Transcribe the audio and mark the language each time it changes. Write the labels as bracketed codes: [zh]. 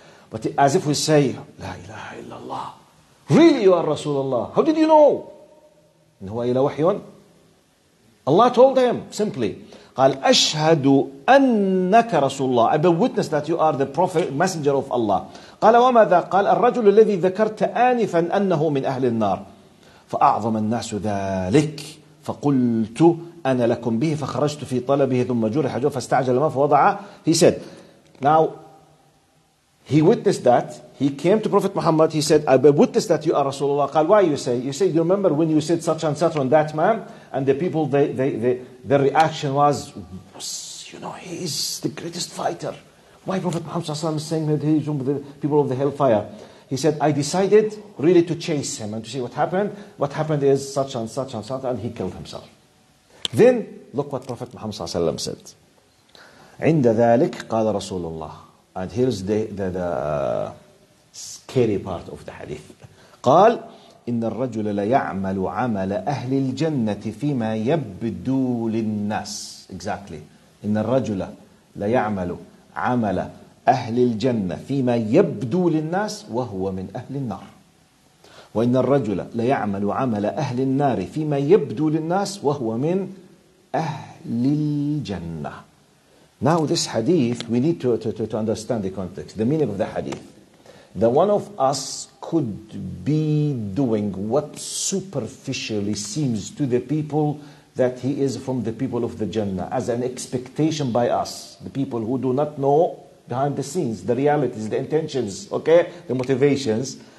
[en] But as if we say, لا إله إلا الله. Really you are Rasulullah. How did you know? إن هو إلى وحي. [ar] Allah told him simply. قال أشهد أنك رسول الله. [en] I bear witness that you are the prophet, messenger of Allah. [ar] قال وماذا؟ قال الرجل الذي ذكرت آنفا أنه من أهل النار. فأعظم الناس ذلك. فقلت أنا لكم به فخرجت في طلبه ثم جرح جوفا فاستعجل ما فوضع. [en] He said. Now, he witnessed that. He came to Prophet Muhammad. He said, I witnessed that you are Rasulullah. قال, why you say? You say, you remember when you said such and such on that man? And the people, their reaction was, you know, he is the greatest fighter. Why Prophet Muhammad صلى الله عليه وسلم saying that he is from the people of the hellfire? He said, I decided really to chase him and to see what happened. What happened is such and such and such, and he killed himself. Then look what Prophet Muhammad صلى الله عليه وسلم said. عند ذلك قال رسول الله. And here's the scary part of the hadith. [ar] قال إن الرجل ليعمل عمل أهل الجنة فيما يبدو للناس. [en] Exactly. [ar] إن الرجل ليعمل عمل أهل الجنة فيما يبدو للناس وهو من أهل النار. وإن الرجل ليعمل عمل أهل النار فيما يبدو للناس وهو من أهل الجنة. [en] Now this hadith, we need to understand the context, the meaning of the hadith. The one of us could be doing what superficially seems to the people that he is from the people of the Jannah as an expectation by us, the people who do not know behind the scenes, the realities, the intentions, okay, the motivations.